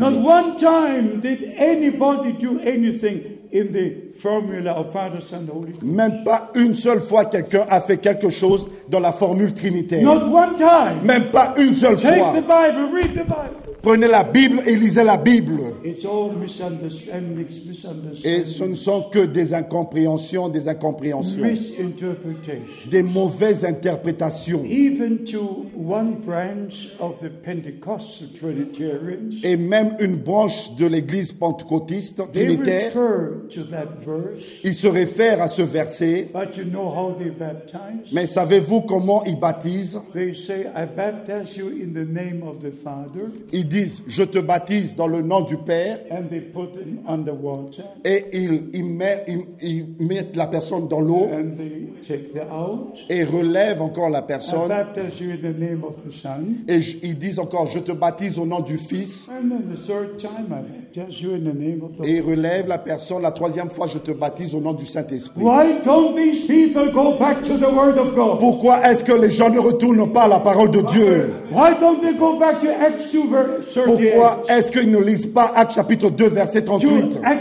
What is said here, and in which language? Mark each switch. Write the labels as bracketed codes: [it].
[en] Not one time did anybody do anything in the formula of Father, Son, Holy Ghost. [fr] Même pas une seule fois quelqu'un a fait quelque chose dans la formule trinitaire. [en] Not one time. [fr] Même pas une seule [en] Take [fr] fois. [en] The Bible, read the Bible. [fr] Prenez la Bible et lisez la Bible. [en] It's all misunderstandings, misunderstandings. [fr] Et ce ne sont que des incompréhensions. [en] Misinterpretations. [fr] Des mauvaises interprétations. [en] Even to one branch of the Pentecostal Trinitarians, [fr] et même une branche de l'église pentecôtiste trinitaire, [en] they refer to that verse, [fr] ils se réfèrent à ce verset. [en] But you know how they baptize? [fr] Mais savez-vous comment ils baptisent? [en] They say, I baptize you in the name of the Father. [fr] Ils disent, je te baptise dans le nom du Père. [en] And they put him under water. [fr] Et ils mettent la personne dans l'eau. [en] And they take it out. [fr] Et relèvent encore la personne. [en] I baptize you in the name of the Son. [fr] Et ils disent encore, je te baptise au nom du Fils. [en] And then the third time, I baptize you in the name of the Lord. [fr] Et ils relèvent la personne. La troisième fois, je te baptise au nom du Saint-Esprit. [en] Why don't these people go back to the Word of God? [fr] Pourquoi est-ce que les gens ne retournent pas à la parole de Dieu? [en] Why don't they go back to Acts 2? [fr] Pourquoi est-ce qu'ils ne lisent pas Actes chapitre 2, verset 38?